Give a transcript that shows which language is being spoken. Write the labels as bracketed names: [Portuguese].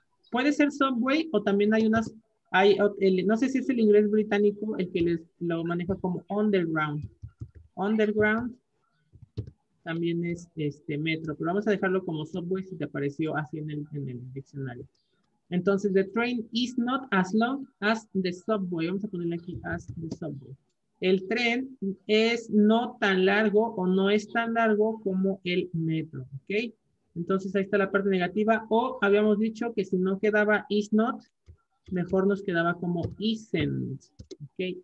[Spanish] Puede ser Subway o también hay unas, hay el, no sé si es el inglés británico el que les lo maneja como underground. Underground también es este metro, pero vamos a dejarlo como Subway si te apareció así en el diccionario. [English] Entonces, the train is not as long as the subway. [Spanish] Vamos a ponerle aquí [English] as the subway. [Spanish] El tren es no tan largo o no es tan largo como el metro, ¿ok? Entonces, ahí está la parte negativa. O habíamos dicho que si no quedaba is not, mejor nos quedaba como isn't, ¿ok?